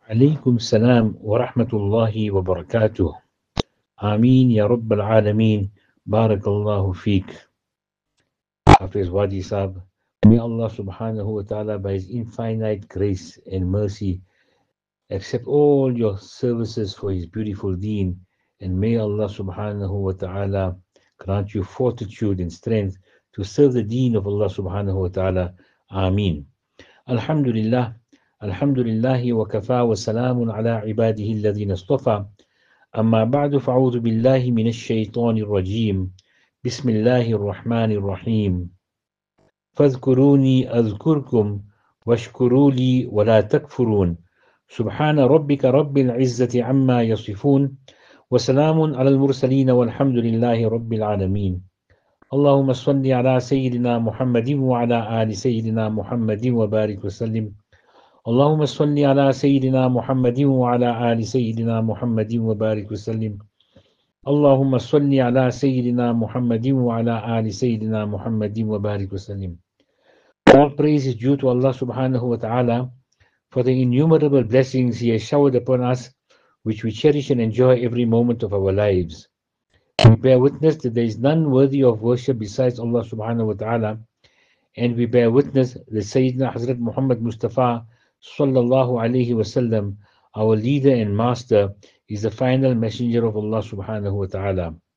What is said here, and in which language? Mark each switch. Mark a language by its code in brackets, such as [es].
[ar] عليكم السلام ورحمة الله وبركاته. آمين يا رب العالمين. بارك الله فيك حافظ وادي صاب. [en] May Allah [ar] سبحانه وتعالى [en] by His infinite grace and mercy accept all your services for His beautiful deen. And may Allah [ar] سبحانه وتعالى [en] grant you fortitude and strength to serve the deen of Allah سبحانه وتعالى. [ar] آمين. الحمد لله الحمد لله وكفى وسلام على عباده الذين اصطفى. أما بعد، فأعوذ بالله من الشيطان الرجيم. بسم الله الرحمن الرحيم. فاذكروني أذكركم واشكروا لي ولا تكفرون. سبحان ربك رب العزة عما يصفون وسلام على المرسلين والحمد لله رب العالمين. اللهم صل على سيدنا محمد وعلى آل سيدنا محمد وبارك وسلم. اللهم صل على سيدنا محمد وعلى آل سيدنا محمد وبارك وسلم. اللهم صل على سيدنا محمد وعلى آل سيدنا محمد وبارك وسلم. [en] All praise is due to Allah [ar] subhanahu wa ta'ala [en] for the innumerable blessings He has showered upon us, which we cherish and enjoy every moment of our lives. We bear witness that there is none worthy of worship besides Allah [ar] subhanahu wa ta'ala, [en] and we bear witness that Sayyidina Hazrat Muhammad Mustafa [ar] sallallahu alayhi wa sallam, [en] our leader and master, is the final messenger of Allah [ar] subhanahu wa ta'ala.